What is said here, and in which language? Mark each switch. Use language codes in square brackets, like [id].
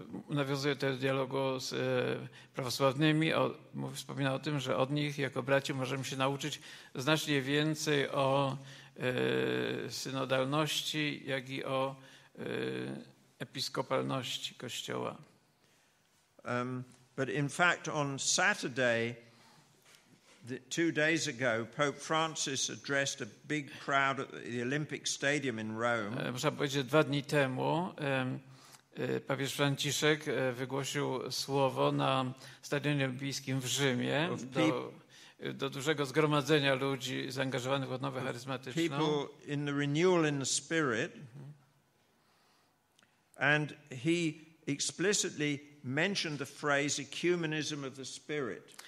[pl] Nawiązuje do dialogu z prawosławnymi, wspomina o tym, że od nich jako braci możemy się nauczyć znacznie więcej o synodalności, jak i o episkopalności Kościoła. [en] But in fact on Saturday, two days ago, Pope Francis addressed a big crowd at the Olympic Stadium in Rome. [pl] Można powiedzieć, że dwa dni temu papież Franciszek wygłosił słowo na Stadionie Olimpijskim w Rzymie do dużego zgromadzenia ludzi zaangażowanych w odnowę charyzmatyczną. [en] People in the renewal in the spirit. And he explicitly mentioned the phrase ecumenism of the spirit.